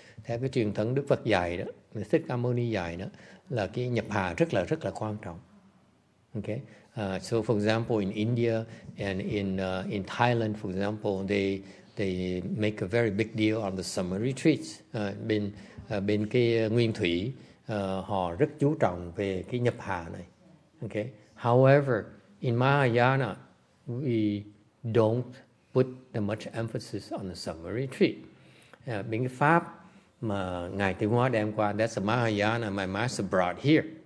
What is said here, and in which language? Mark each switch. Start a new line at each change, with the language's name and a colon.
Vietnamese: Theo cái truyền thống Đức Phật dạy đó, Đức Thích Ca Mâu Ni dạy đó, là cái nhập hạ rất là quan trọng.
English: Okay. So for example, in India and in Thailand, for example, they make a very big deal on the summer retreats.
Vietnamese: Bên cái Nguyên Thủy. Họ rất chú trọng về cái nhập hạ này.
English: Okay. However, in Mahayana, we don't put that much emphasis on the summer retreat.
Vietnamese: Bên cái pháp mà Ngài Tiếng Hóa đem qua, that's the Mahayana my master brought here.